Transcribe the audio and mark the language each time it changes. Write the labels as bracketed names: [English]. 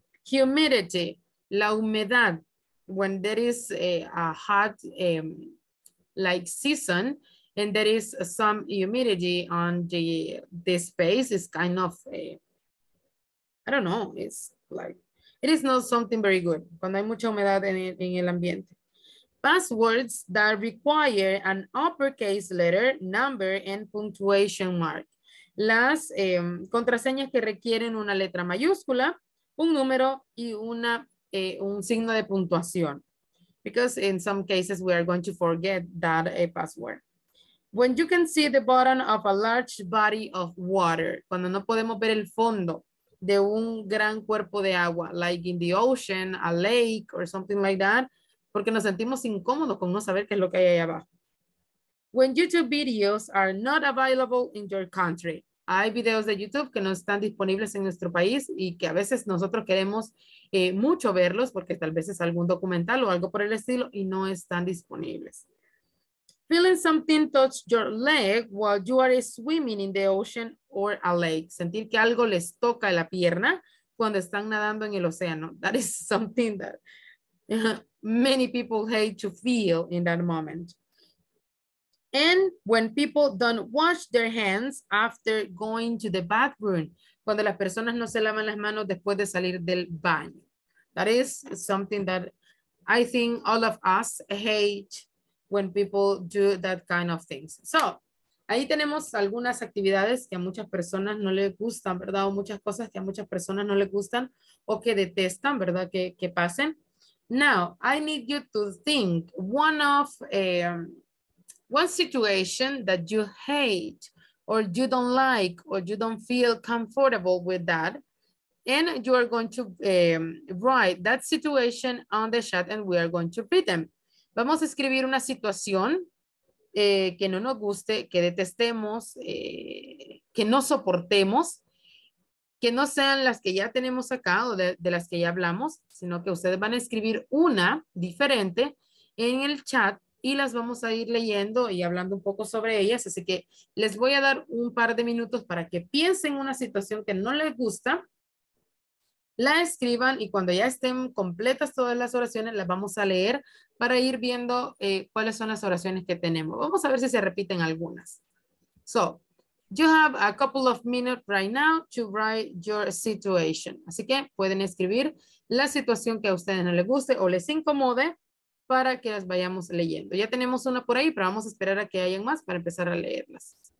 [English] Humidity, [Spanish] la humedad, [English] when there is a hot like season and there is some humidity on the space is kind of it is not something very good [Spanish] cuando hay mucha humedad en el ambiente. [English] Passwords that require an uppercase letter, number and punctuation mark. [Spanish] Las contraseñas que requieren una letra mayúscula, un número y un signo de puntuación. [English] Because in some cases we are going to forget that a password. When you can see the bottom of a large body of water, [Spanish] cuando no podemos ver el fondo de un gran cuerpo de agua, [English] like in the ocean, a lake or something like that, [Spanish] porque nos sentimos incómodos con no saber qué es lo que hay ahí abajo. [English] When YouTube videos are not available in your country, [Spanish] hay videos de YouTube que no están disponibles en nuestro país y que a veces nosotros queremos mucho verlos porque tal vez es algún documental o algo por el estilo y no están disponibles. [English] Feeling something touch your leg while you are swimming in the ocean or a lake. [Spanish] Sentir que algo les toca la pierna cuando están nadando en el océano. [English] That is something that many people hate to feel in that moment. And when people don't wash their hands after going to the bathroom. [Spanish] cuando las personas no se lavan las manos después de salir del baño. [English] That is something that I think all of us hate when people do that kind of things. [Spanish] So, ahí tenemos algunas actividades que a muchas personas no les gustan, ¿verdad? O muchas cosas que a muchas personas no les gustan o que detestan, ¿verdad? Que pasen. [English] Now, I need you to think one of one situation that you hate or you don't like or you don't feel comfortable with that. And you are going to write that situation on the chat and we are going to read them. [Spanish] Vamos a escribir una situación que no nos guste, que detestemos, que no soportemos, que no sean las que ya tenemos acá o de las que ya hablamos, sino que ustedes van a escribir una diferente en el chat y las vamos a ir leyendo y hablando un poco sobre ellas. Así que les voy a dar un par de minutos para que piensen una situación que no les gusta, la escriban y cuando ya estén completas todas las oraciones, las vamos a leer para ir viendo cuáles son las oraciones que tenemos. Vamos a ver si se repiten algunas. [English] So, you have a couple of minutes right now to write your situation. [Spanish] Así que pueden escribir la situación que a ustedes no les guste o les incomode para que las vayamos leyendo. Ya tenemos una por ahí, pero vamos a esperar a que hayan más para empezar a leerlas.